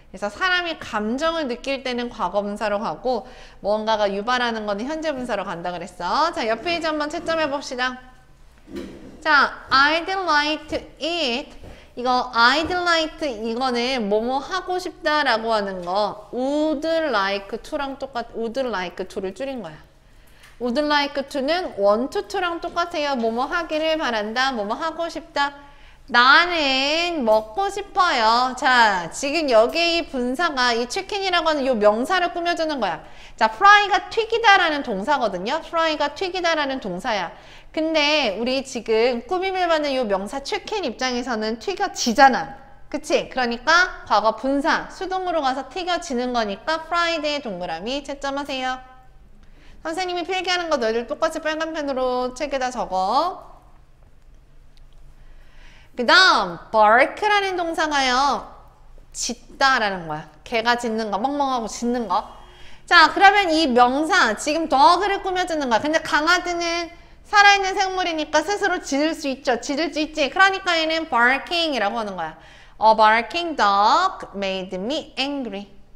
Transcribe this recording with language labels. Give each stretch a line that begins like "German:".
Korean: 그래서 사람이 감정을 느낄 때는 과거 분사로 가고, 무언가가 유발하는 거는 현재 분사로 간다 그랬어. 자, 옆 페이지 한번 채점해 봅시다. 자,
English: I'd like to eat.
Korean: 이거 I'd like to 이거는 뭐뭐 하고 싶다라고 하는 거 would like to랑 똑같 would like to를 줄인 거야. would like to는 want to랑 똑같아요. 뭐뭐 하기를 바란다. 뭐뭐 하고 싶다. 나는 먹고 싶어요. 자, 지금 여기에 이 분사가 이 chicken이라고 하는 이 명사를 꾸며주는 거야. 자, fry가 튀기다라는 동사거든요. fry가 튀기다라는 동사야. 근데 우리 지금 꾸밈을 받는 이 명사 chicken 입장에서는 튀겨지잖아. 그치? 그러니까 과거 분사, 수동으로 가서 튀겨지는 거니까 fried의 동그라미 채점하세요. 선생님이 필기하는 거 너희들 똑같이 빨간 펜으로 책에다 적어. 그 다음, bark라는 동사가요, 짖다라는 거야. 개가 짖는 거, 멍멍하고 짖는 거. 자, 그러면 이 명사, 지금 dog를 꾸며주는 거야. 근데 강아지는 살아있는 생물이니까 스스로 짖을 수 있죠. 짖을 수 있지. 그러니까 얘는 barking이라고 하는 거야.
English: A barking dog made me angry.